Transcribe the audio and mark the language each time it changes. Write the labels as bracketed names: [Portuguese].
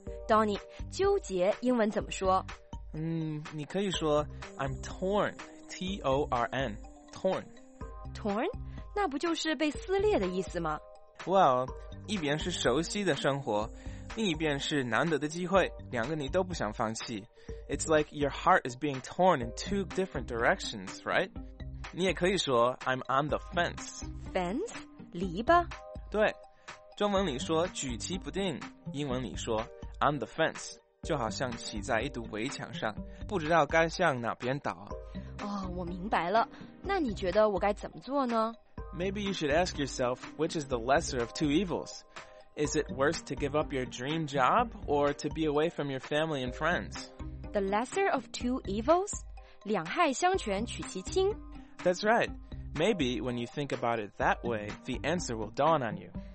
[Chinese] Donny， 纠结英文怎么说？你可以说 [English] I'm torn， T-O-R-N， torn。 Torn？ [Chinese] 那不就是被撕裂的意思吗？ Well， 一边是熟悉的生活，另一边是难得的机会，两个你都不想放弃。 [English] It's like your heart is being torn in two different directions, right? [Chinese] 你也可以说 [English] I'm on the fence. [Chinese] Fence? 篱笆？对，中文里说举棋不定，英文里说 [English] on the fence， [Chinese] 就好像骑在一堵围墙上，不知道该向哪边倒。哦，我明白了，那你觉得我该怎么做呢？ [English] Maybe you should ask yourself which is the lesser of two evils. Is it worse to give up your dream job or to be away from your family and friends? The lesser of two evils? [Chinese] 两害相权取其轻。 [English] That's right. Maybe when you think about it that way, the answer will dawn on you.